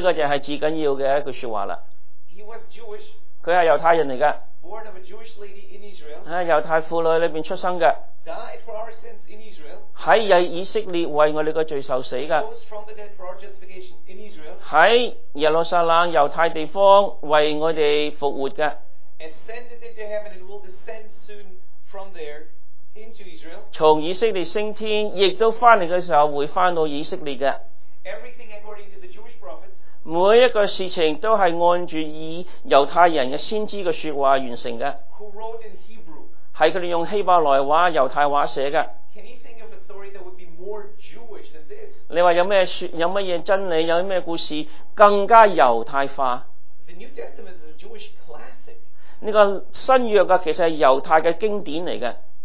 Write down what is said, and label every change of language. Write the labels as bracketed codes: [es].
[zh] 个就是最重要的一句说话了。他是犹太人来的， [en] Born of a Jewish lady in Israel, [zh] 在犹太妇女里面出生的， [en] died for our sins in Israel, [zh] 在以色列为我们的罪受死的， [en] rose from the dead for our justification in Israel, [zh] 在耶路撒冷犹太地方为我们复活的， [en] ascended into heaven and will descend soon from there into Israel, [zh] 从以色列升天亦都回来的时候会回到以色列的。 [en] Everything according to the Jewish prophets, [zh] 每一个事情都是按住以犹太人的先知的说话完成的。 [en] Who wrote in Hebrew? [zh] 是他们用希伯来话犹太话写的。 [en] Can you think of a story that would be more Jewish than this? [zh] 你说有什么真理，有什么故事更加犹太化？ [en] The New Testament is a Jewish classic. [zh] 这个新约的其实是犹太的经典来的。